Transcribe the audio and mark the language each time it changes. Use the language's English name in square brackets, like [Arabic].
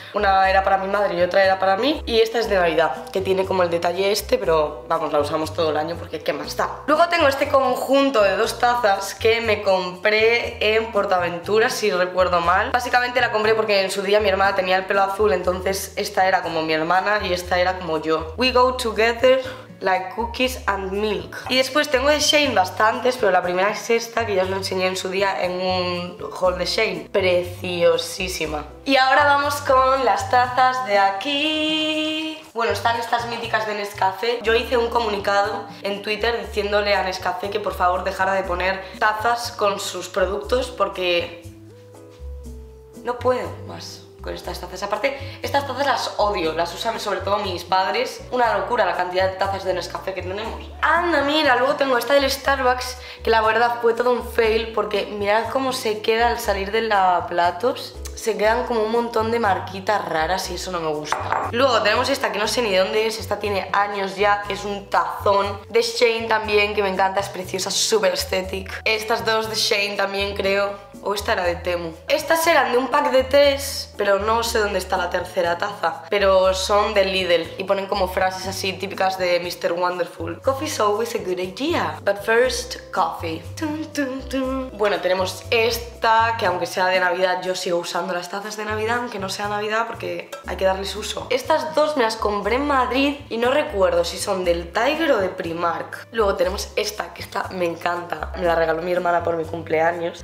[Spanish] Una era para mi madre y otra era para mí. Y esta es de Navidad, que tiene como el detalle este, pero vamos, la usamos todo el año porque qué más da. Luego tengo este conjunto de dos tazas que me compré en PortAventura, si recuerdo mal. Básicamente la compré porque en su día mi hermana tenía el pelo azul, entonces esta era como mi hermana y esta era como yo. [English] We go together like cookies and milk. [Spanish] Y después tengo de Shein bastantes, pero la primera es esta, que ya os lo enseñé en su día en un haul de Shein. Preciosísima. Y ahora vamos con las tazas de aquí. Bueno, están estas míticas de Nescafé. Yo hice un comunicado en Twitter diciéndole a Nescafé que por favor dejara de poner tazas con sus productos porque no puedo más con estas tazas. Aparte, estas tazas las odio, las usan sobre todo mis padres. Una locura la cantidad de tazas de Nescafé que tenemos. Anda, mira, luego tengo esta del Starbucks, que la verdad fue todo un fail, porque mirad cómo se queda al salir del lavaplatos. Se quedan como un montón de marquitas raras y eso no me gusta. Luego tenemos esta, que no sé ni dónde es, esta tiene años ya, que es un tazón de Shein también, que me encanta, es preciosa, súper estética. Estas dos de Shein también, creo. O esta era de Temu. Estas eran de un pack de tres, pero no sé dónde está la tercera taza. Pero son de Lidl y ponen como frases así típicas de Mr. Wonderful. [English] Coffee is always a good idea, but first coffee. Tum, tum, tum. [Spanish] Bueno, tenemos esta, que aunque sea de Navidad, yo sigo usando las tazas de Navidad, aunque no sea Navidad, porque hay que darles uso. Estas dos me las compré en Madrid y no recuerdo si son del Tiger o de Primark. Luego tenemos esta, que esta me encanta. Me la regaló mi hermana por mi cumpleaños.